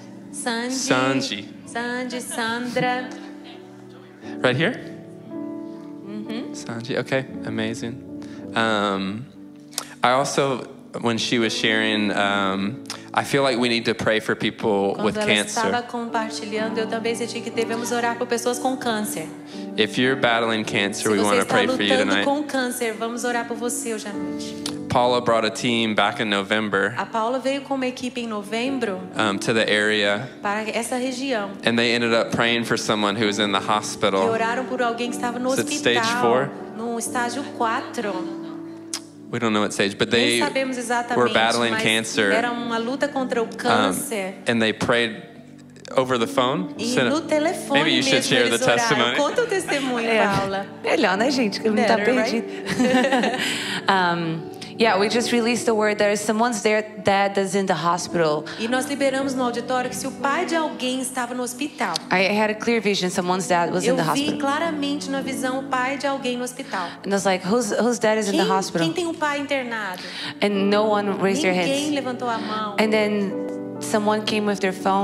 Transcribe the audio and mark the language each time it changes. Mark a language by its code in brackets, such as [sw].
[en] Sanji. Sanji, Sandra. Right here? Sanji, okay, amazing. I also, when she was sharing, I feel like we need to pray for people [pt] quando [en] with cancer. [pt] Estava compartilhando, eu também senti que devemos orar por pessoas com câncer. [en] If you're battling cancer, [pt] se [en] we want to pray for you tonight. [pt] Com câncer, vamos orar por você hoje à noite. [en] Paula brought a team back in November. [pt] A Paula veio com uma equipe em novembro. [en] To the area. [pt] Para essa região. [en] And they ended up praying for someone who was in the hospital. [pt] E oraram por alguém que estava no [en] Is [pt] hospital. [en] It stage four? [pt] No estágio 4. [en] We don't know what stage, but they were battling cancer. [pt] Era uma luta contra o câncer. [en] And they prayed over the phone. [pt] E no telefone. [en] Maybe you should share the testimony. [pt] Conta o testemunho, Paula. Melhor, né, gente? Que não tá perdido. [en] Yeah, we just released the word. There is someone's there dad that's in the hospital. [pt] E nós liberamos no auditório que se o pai de alguém estava no hospital. [en] I had a clear vision. Someone's dad was [pt] eu [en] in the hospital. [pt] Eu vi claramente na visão o pai de alguém no hospital. [en] And I was like, whose dad is [pt] quem, [en] in the hospital? [pt] Quem tem um pai internado? [en] And no one raised their hands. [pt] Ninguém levantou a mão. [en] And then someone came with their phone.